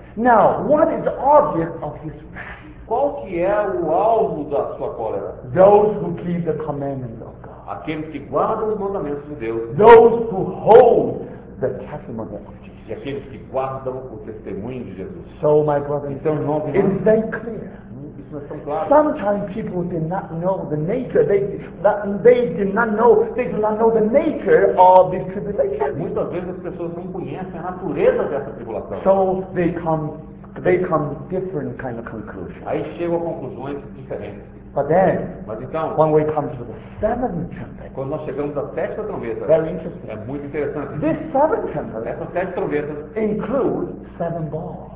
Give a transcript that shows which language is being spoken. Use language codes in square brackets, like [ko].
[en] Now, what is the object of his wrath? [pt] Qual que é o alvo da sua cólera? [en] Those who keep the commandments of God. [pt] Aqueles que guardam os mandamentos de Deus. [en] Those who hold the testimony of Jesus. [pt] E aqueles que guardam o testemunho de Jesus. [en] So, my brother, [pt] então, irmãos e [en] irmãs, it's very clear. Sometimes people did not know the nature. They did not know the nature of this tribulation. [pt] Muitas vezes as pessoas não conhecem a natureza dessa tribulação. [en] So they come to different kind of conclusions. [pt] Aí chegam a conclusões diferentes. [en] But then, [pt] mas então, [en] when we come to the seventh trumpet, [pt] quando nós chegamos à sétima trombeta, [en] very interesting. [pt] É muito interessante. [en] This seventh trumpet, [pt] essas sete trombetas, [en] include seven balls.